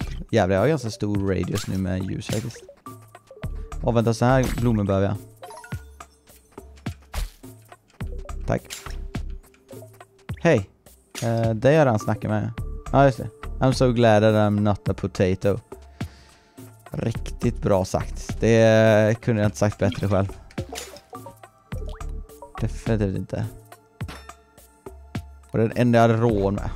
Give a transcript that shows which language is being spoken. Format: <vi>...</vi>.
<sv>Jävlar, jag har ganska stor radius nu med ljus faktiskt. Och vänta, så här blommor behöver jag. Tack. Hej. Det har jag redan snackat med. Ja, just det.</sv> <en>I'm so glad that I'm not a potato.</en> <sv>Riktigt bra sagt. Det kunde jag inte sagt bättre själv. Definitivt inte. Och den enda jag hade råd med.</sv>